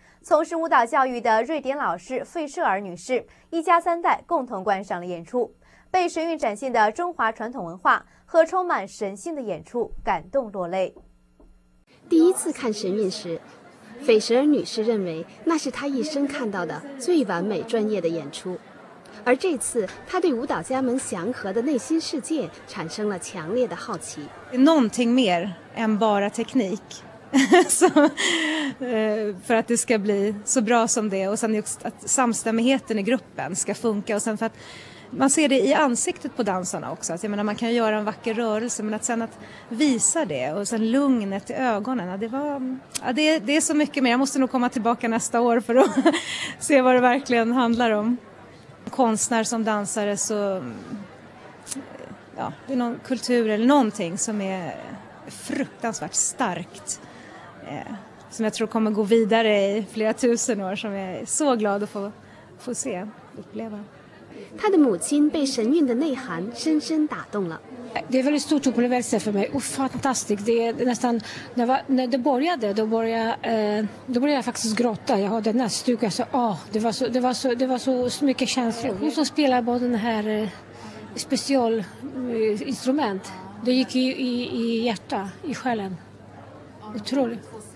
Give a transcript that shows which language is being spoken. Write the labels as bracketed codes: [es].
[zh] 从事舞蹈教育的瑞典老师费舍尔女士一家三代共同观赏了演出，被神韵展现的中华传统文化和充满神性的演出感动落泪。第一次看神韵时，费舍尔女士认为那是她一生看到的最完美专业的演出，而这次她对舞蹈家们祥和的内心世界产生了强烈的好奇。 [sv] Någonting mer än bara teknik, så för att det ska bli så bra som det, och sen just att samstämmigheten i gruppen ska funka, och sen för att man ser det i ansiktet på dansarna också. Att jag menar, man kan göra en vacker rörelse, men att sen att visa det och sen lugnet i ögonen, det var, ja, det är så mycket mer. Jag måste nog komma tillbaka nästa år för att se vad det verkligen handlar om. Konstnär som dansare, så ja, det är någon kultur eller någonting som är fruktansvärt starkt, som jag tror kommer gå vidare i flera tusen år, som jag är så glad att få se, uppleva. [zh] 他的母亲被神韵的内涵深深打动了。 [sv] Det är väldigt stort upplevelse för mig. Oh, fantastiskt. Det är nästan när det började, då började jag faktiskt gråta. Jag hade näsduk. Jag sa, det var så mycket känslor. Hon som spelar på den här specialinstrument, det gick i hjärta, i själen. Otroligt.